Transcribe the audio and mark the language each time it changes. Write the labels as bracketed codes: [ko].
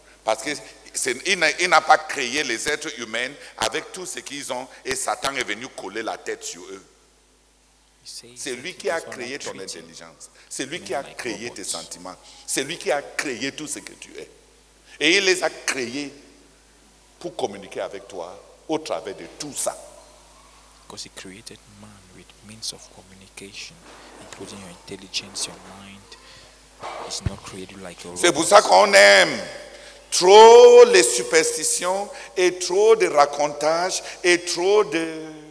[fr] Parce qu'il n'a pas créé les êtres humains avec tout ce qu'ils ont et Satan est venu coller la tête sur eux. C'est lui qui a créé ton intelligence. C'est lui qui a créé tes sentiments. C'est lui qui a créé tout ce que tu es. Et il les a créés pour communiquer avec toi au travers de tout ça. [en] Because he created man with means of communication, including your intelligence, your mind. It's not created like a robot. [fr] C'est pour ça qu'on aime trop les superstitions et trop de racontages et trop de.